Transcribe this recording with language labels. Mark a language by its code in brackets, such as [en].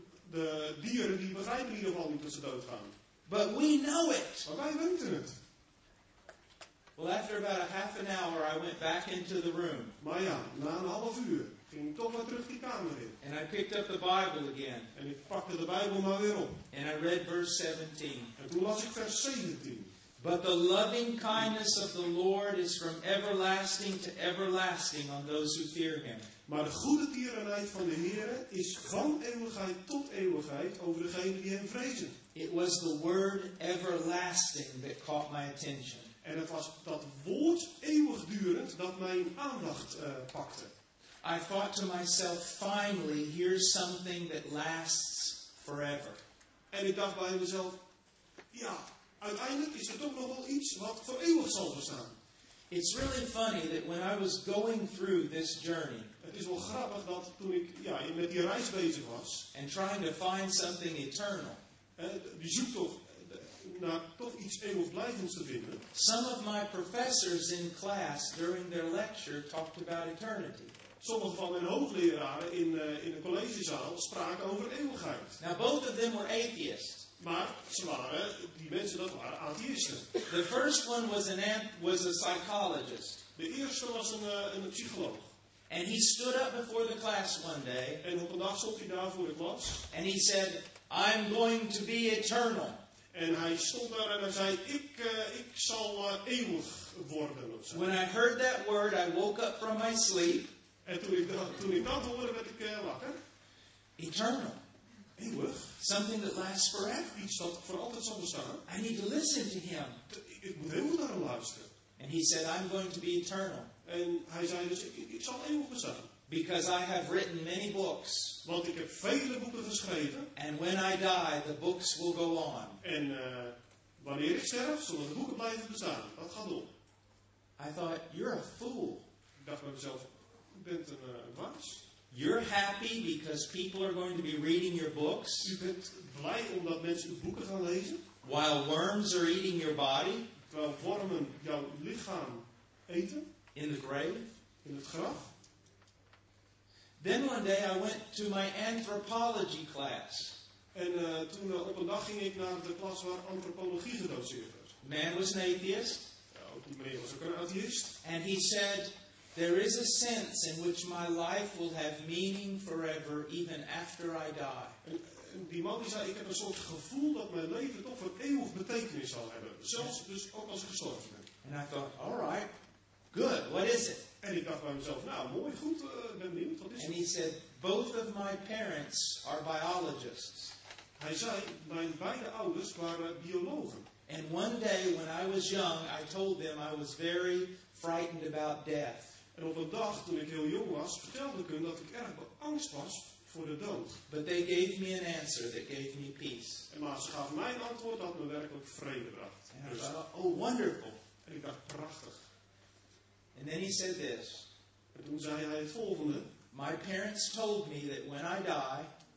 [nl] De dieren die begrijpen in ieder geval niet dat ze doodgaan. [en] But we know it. [nl] Maar wij weten het. [en] Well, after about a half an hour, I went back into the room. [nl] Maar ja, na een half uur ging ik toch weer terug die kamer in. [en] And I picked up the Bible again. [nl] En ik pakte de Bijbel maar weer op. [en] And I read verse 17. [nl] En toen las ik vers 17. [en] But the loving kindness of the Lord is from everlasting to everlasting on those who fear Him. [nl] Maar de goede tierenheid van de Heer is van eeuwigheid tot eeuwigheid over degenen die Hem vrezen. [en] It was the word everlasting that caught my attention. [nl] En het was dat woord eeuwigdurend dat mijn aandacht pakte. [en] I thought to myself, finally, here's something that lasts forever. [nl] En ik dacht bij mezelf, ja, uiteindelijk is er toch nog wel iets wat voor eeuwig zal bestaan. [en] It's really funny that when I was going through this journey. [nl] Het is wel grappig dat toen ik met die reis bezig was. [en] And trying to find something eternal. [nl] Die zoektocht naar toch iets eeuwigblijvends te vinden. [en] Some of my professors in class during their lecture talked about eternity. [nl] Sommige van mijn hoogleraren in de collegezaal spraken over eeuwigheid. [en] Now both of them were atheists. [nl] Maar ze waren, die mensen, dat waren atheïsten. [en] The first one was a psychologist. [nl] De eerste was een psycholoog. [en] And he stood up before the class one day. [nl] En op een dag stond hij daar voor de klas. [en] And he said, I'm going to be eternal. [nl] En hij stond daar en hij zei, ik zal eeuwig worden. Of zo. [en] When I heard that word, I woke up from my sleep. [nl] En toen ik dat hoorde, werd ik wakker. [en] Eternal. [nl] Eeuwig. [en] Something that lasts forever. [nl] Iets dat voor altijd zal bestaan. [en] I need to listen to him. [nl] Ik moet heel goed naar hem luisteren. [en] And he said, I'm going to be eternal. [nl] En hij zei dus, ik zal eeuwig bestaan. [en] Because I have written many books. [nl] Want ik heb vele boeken geschreven. [en] And when I die, the books will go on. [nl] En wanneer ik sterf, zullen de boeken blijven bestaan. Dat gaat om. [en] I thought, you're a fool. [nl] Ik dacht bij mezelf, je bent een waas. [en] You're happy because people are going to be reading your books. [nl] U bent blij omdat mensen uw boeken gaan lezen. [en] While worms are eating your body. [nl] Terwijl wormen jouw lichaam eten. [en] In the grave. [nl] In het graf. [en] Then one day I went to my anthropology class. [nl] En toen op een dag ging ik naar de klas waar antropologie gedoseerd werd. [en] Man was an atheist. [nl] Ja, die meneer was ook een atheist. [en] And he said, there is a sense in which my life will have meaning forever, even after I die. [nl] En die man die zei, ik heb een soort gevoel dat mijn leven toch voor eeuwig betekenis zal hebben. Zelfs dus ook als ik gestorven ben. [en] And I thought, all right, good, what is it? [nl] En ik dacht bij mezelf, nou mooi, goed, ben benieuwd, wat is het? [en] And he said, both of my parents are biologists. [nl] Hij zei, mijn beide ouders waren biologen. [en] And one day when I was young, I told them I was very frightened about death. [nl] En op een dag toen ik heel jong was, vertelde ik hun dat ik erg beangst was voor de dood. [en] But they gave me an answer that gave me peace. [nl] En maar ze gaven mij een antwoord dat me werkelijk vrede bracht. [en] And I thought, oh wonderful. [nl] En ik dacht, prachtig. [en] And then he said this. [nl] En toen zei hij het volgende. [en] My parents told me that when I die.